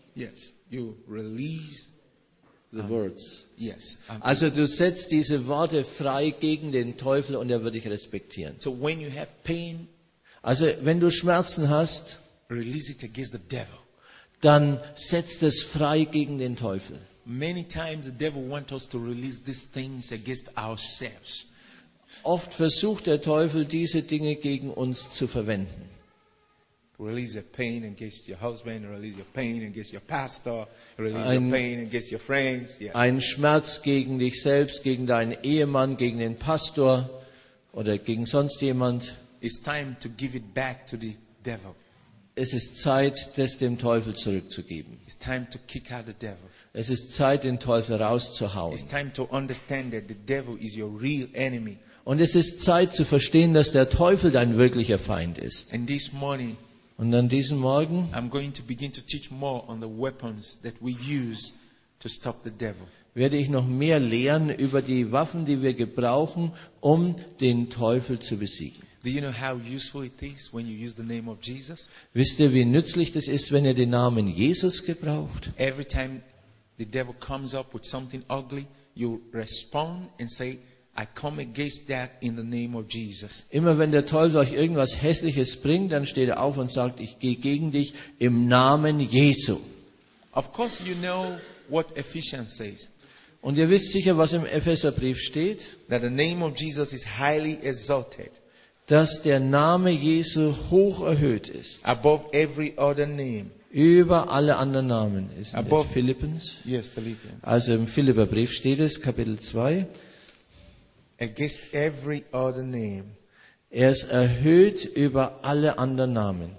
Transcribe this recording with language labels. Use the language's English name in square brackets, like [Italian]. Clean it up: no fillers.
[English] Yes, you release the words. Yes. [German] Also du setzt diese Worte frei gegen den Teufel und er wird dich respektieren. [English] So when you have pain, [German] also wenn du Schmerzen hast, [English] release it against the devil. [German] Dann setzt es frei gegen den Teufel. [English] Many times the devil wants us to release these things against ourselves. [German] Oft versucht der Teufel, diese Dinge gegen uns zu verwenden. [English] Release your pain against your husband, release your pain against your pastor, release your pain against your friends. Yeah. [German] Ein Schmerz gegen dich selbst, gegen deinen Ehemann, gegen den Pastor oder gegen sonst jemand. [English] It's time to give it back to the devil. [German] Es ist Zeit, das dem Teufel zurückzugeben. [English] It's time to kick out the devil. [German] Es ist Zeit, den Teufel rauszuhauen. [English] It's time to understand that the devil is your real enemy. [German] Und es ist Zeit zu verstehen, dass der Teufel dein wirklicher Feind ist. [English] And this morning, [German] und an diesem Morgen, [English] I'm going to begin to teach more on the weapons that we use to stop the devil. [German] Werde ich noch mehr lernen über die Waffen, die wir gebrauchen, um den Teufel zu besiegen. [English] Do you know how useful it is when you use the name of Jesus? [German] Wisst ihr, wie nützlich das ist, wenn ihr den Namen Jesus gebraucht? [English] Every time the devil comes up with something ugly, you respond and say, I come against that in the name of Jesus. [German] Immer wenn der Teufel euch irgendwas Hässliches bringt, dann steht er auf und sagt, ich gehe gegen dich im Namen Jesu. [English] Of course you know what Ephesians says. [German] Und ihr wisst sicher, was im Epheserbrief steht. [English] That the name of Jesus is highly exalted. [German] Dass der Name Jesu hoch erhöht ist. [English] Above every other name. [German] Über alle anderen Namen ist. [English] Above Philippians. Yes, Philippians. [German] Also im Philipperbrief steht es, Kapitel 2. [English] Against every other name. [German] Er ist erhöht über alle anderen Namen.